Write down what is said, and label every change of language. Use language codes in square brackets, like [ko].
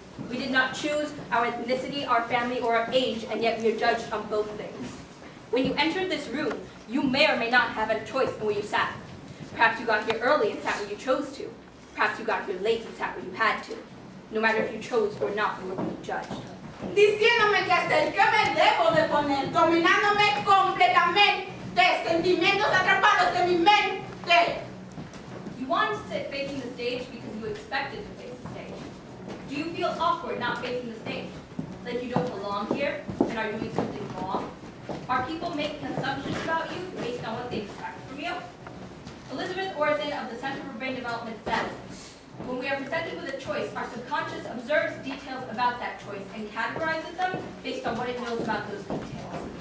[en] We did not choose our ethnicity, our family, or our age, and yet we are judged on both things. When you entered this room, you may or may not have had a choice in where you sat. Perhaps you got here early and sat where you chose to. Perhaps you got here late and sat where you had to. No matter if you chose or not, you will be judged. [es] Diciéndome que hacer, que me debo de poner, dominándome completamente, sentimientos atrapados en mi mente. [en] You want to sit facing the stage because you expected to. Do you feel awkward not facing the stage? Like you don't belong here and are doing something wrong? Are people making assumptions about you based on what they expect from you? Elizabeth Orzin of the Center for Brain Development says, when we are presented with a choice, our subconscious observes details about that choice and categorizes them based on what it knows about those details.